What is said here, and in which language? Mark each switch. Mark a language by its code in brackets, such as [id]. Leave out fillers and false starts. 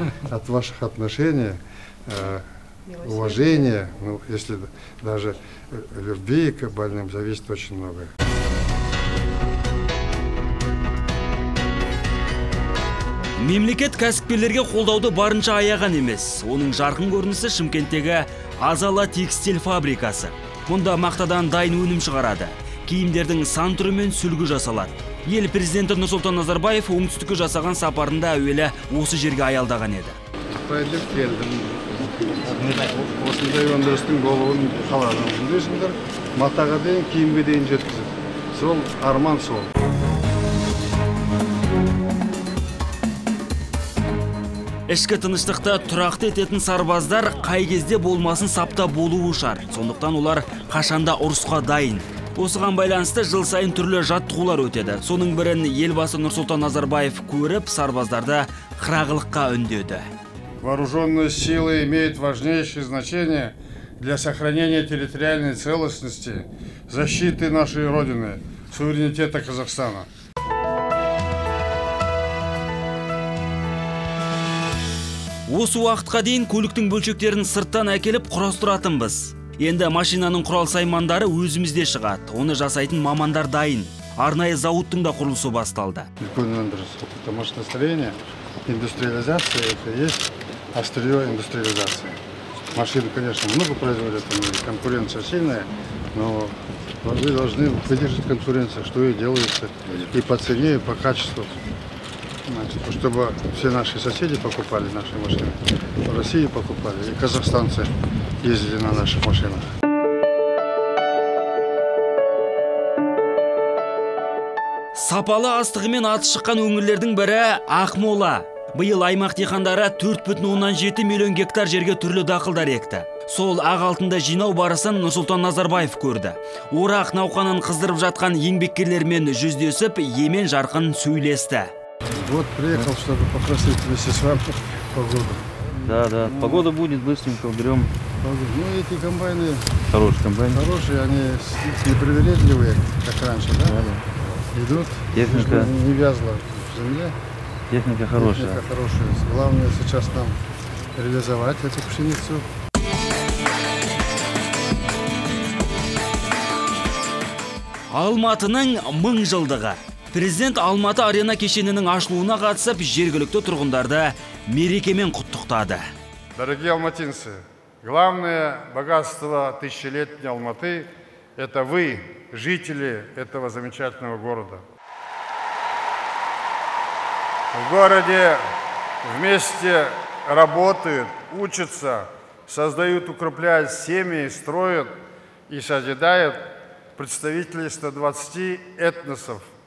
[ru] От ваших отношений, уважения, ну, если даже любви к больным, зависит очень многое. [kk] Мемлекет кәсіпкерлерге қолдауды барынша аяған емес. Оның жарқын көрінісі Шымкенттегі Азала текстиль фабрикасы. Мұнда мақтадан дайын өнім шығарады. Киімдердің сан түрі мен сүлгі жасалады. Ел президенті Нұрсұлтан Назарбаев оңтүстікке жасаған сапарында әуелі осы жерге аялдаған еді. Қытайдан келдім. Осындай өндірістің болуын қаладым. Өндірісіңдер матаға дейін, киімге дейін жеткізіп. Сол арман сол. Ішкі тыныштықта тұрақты ететін сарбаздар қай кезде болмасын сапта болуы шарт. Сондықтан олар қашанда ұрысқа дайын. Осыған байланысты жыл сайын түрлі жаттығулар өтеді. Соның бірін елбасы Нұрсұлтан Назарбаев көріп, сарбаздарды қырағылыққа үндеді. [ru] Вооруженные силы имеют важнейшее значение для сохранения территориальной целостности, защиты нашей родины, суверенитета Казахстана. [kk] Осы уақытқа дейін көліктің бөлшектерін сырттан әкеліп құрастыратын біз. Енді машинаның құрал саймандары өзімізде шығады. Оны жасайтын мамандар дайын. Арнайы зауыттың да құрылысы басталды. Үлкен өндіріс. [ru] Это машиностроение, индустриализация, это есть острие индустриализации. Машины, конечно, много производят, конкуренция сильная, но вы должны выдержать конкуренцию, что и делается, и по цене, и по качеству. Значит, чтобы все наши соседи покупали наши машины, в России покупали, и казахстанцы ездили на наших машинах. [kk] Сапалы астығымен аты шыққан өңірлердің бірі Ақмола. Биыл аймақ диқандары 4,7 миллион гектар жерге түрлі дақылдар екті. Сол ақ алтында жинау барысын Нұрсұлтан Назарбаев көрді. Орақ науқанын қыздырып жатқан еңбеккерлермен жүздесіп, емен жарқын сөйлесті. [ru] Вот приехал, чтобы покрасить вместе с вами погоду. Да, да. Ну, погода будет, быстренько уберем. Ну, эти комбайны... Хорошие комбайны. Хорошие, они непривередливые, как раньше, да? Да, да. Идут, техника не вязла в земле. Техника хорошая. Техника хорошая. Главное сейчас там реализовать эту пшеницу. [kk] Алматының мың жылдығы. Президент Алматы арена кешенінің ашылуына қатысып, жергілікті тұрғындарды мерекемен құттықтады. [ru] Дорогие алматинцы, главное богатство тысячелетней Алматы – это вы, жители этого замечательного города. В городе вместе работают, учатся, создают, укрепляют семьи, строят и созидают представителей 120 этносов.